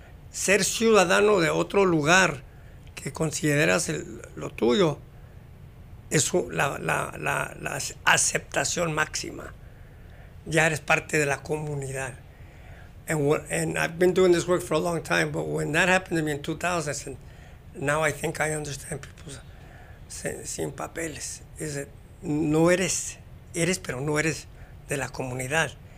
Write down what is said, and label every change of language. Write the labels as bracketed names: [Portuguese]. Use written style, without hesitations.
[Spanish] Ser ciudadano de otro lugar que consideras lo tuyo es la aceptación máxima. Ya eres parte de la comunidad. [English] And I've been doing this work for a long time, but when that happened to me in 2000, I said, now I think I understand people [Spanish] sin papeles. [English] Is it, [Spanish] no eres, eres, pero no eres de la comunidad.